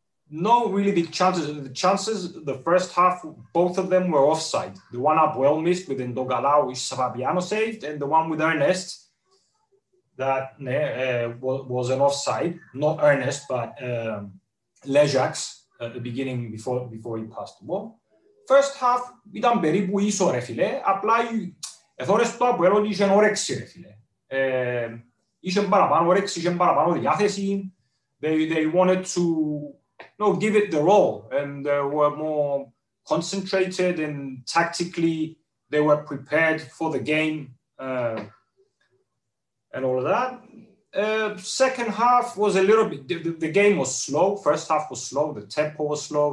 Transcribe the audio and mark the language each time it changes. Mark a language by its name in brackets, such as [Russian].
[English] No really big chances. The chances, the first half, both of them were offside. The one Abuel missed with Ndongala, which Fabiano saved, and the one with Ernest that was an offside. Not Ernest, but Lejacs at the beginning before he passed the ball. First half [Greek] ήταν περίπου ίσο, ρε φίλε. Απλά εθώρες το Αποέλ ότι είχε όρεξη, ρε φίλε. Είχε παραπάνω όρεξη, είχε παραπάνω διάθεση. [English] They wanted to, you know, give it their all. And they were more concentrated and tactically they were prepared for the game and all of that. Second half was a little bit, the game was slow. First half was slow. The tempo was slow.